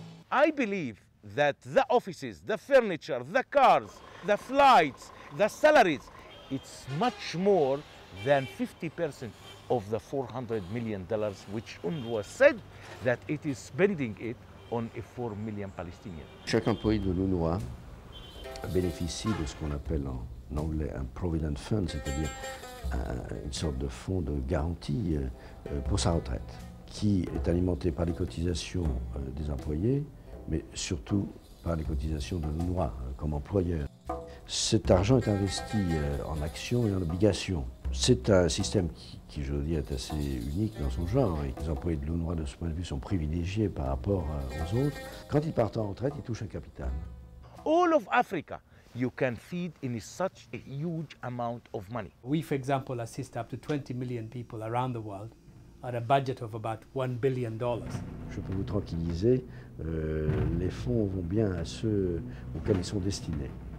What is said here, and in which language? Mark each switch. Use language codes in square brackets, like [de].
[en] I believe that the offices, the furniture, the cars, the flights, the salaries, it's much more than 50% of the $400 million which UNWRA said that it is spending it on 4 million Palestinians. [fr] Chaque employé de l'UNWRA bénéficie de ce qu'on appelle en anglais un provident fund, c'est-à-dire une sorte de fonds de garantie pour sa retraite, qui est alimenté par les cotisations des employés, mais surtout par les cotisations de l'UNWRA comme employeur. Cet argent est investi en actions et en obligations. C'est un système qui je dis, est assez unique dans son genre. Et les employés de l'UNWRA, de ce point de vue, sont privilégiés par rapport aux autres. Quand ils partent en retraite, ils touchent un capital. [en] All of Africa, you can feed in such a huge amount of money. We, for example, assist up to 20 million people around the world at a budget of about $1 billion. [fr] Je peux vous tranquilliser, les fonds vont bien à ceux auxquels ils sont destinés.